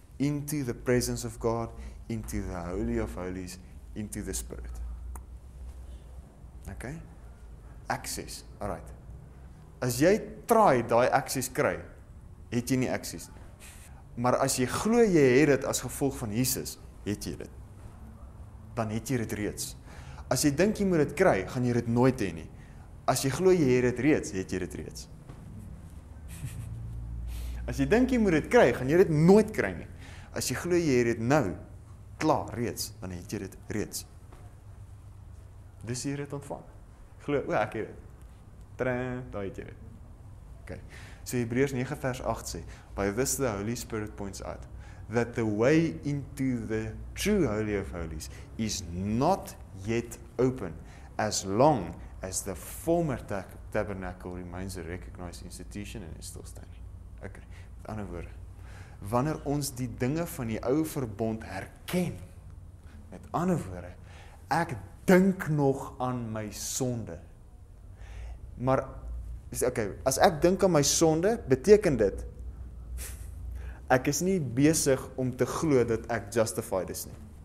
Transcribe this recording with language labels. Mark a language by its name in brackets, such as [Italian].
[English] Into the presence of God, into the Holy of Holies, into the Spirit. Okay? Access. All right. [Afrikaans] As jy try daai access kry, het jy nie access. Maar as jy glo jy het dit as gevolg van Jesus, het jy dit. Dan het jy dit reeds. As jy dink jy moet dit kry, gaan jy dit nooit hê nie. As jy glo jy het dit reeds, het jy dit reeds. As jy dink jy moet dit kry, gaan jy dit nooit kry nie. As jy glo jy het dit nou, klaar, reeds, dan het jy dit reeds. Dus jy het dit ontvang. Glo, o, ek het dit. Tring, daar het jy dit. Okay. So Hebreërs 9 vers 8 sê, [English] by this the Holy Spirit points out, that the way into the true Holy of Holies is not yet open as long as the former tabernacle remains a recognized institution and is still standing. [Afrikaans] Okay, met andere woorde, wanneer ons die dinge van die ouwe verbond herken, met andere woorde, ek dink nog aan my sonde. Maar, okay, as ek dink aan my sonde, beteken dit, ek is nie besig om te glo dat ek justified is nie.